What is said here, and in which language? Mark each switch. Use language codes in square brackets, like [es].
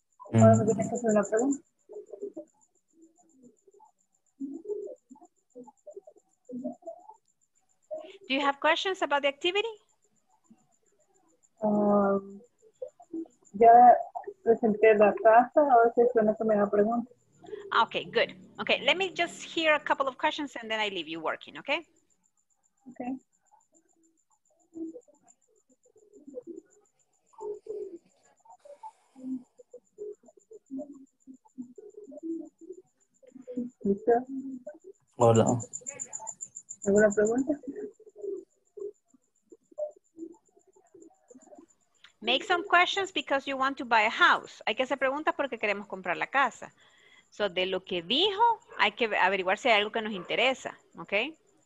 [en] Do you have questions about the activity? [es] Ya presenté la casa, ahora sí es una primera pregunta. [en] Okay, good. Okay, let me just hear a couple of questions and then I leave you working, okay? [es] Okay. ¿Listo? Hola. ¿Alguna pregunta? [en] Make some questions because you want to buy a house. [es] Hay que hacer preguntas porque queremos comprar la casa. So, de lo que dijo, hay que averiguar si hay algo que nos interesa, okay?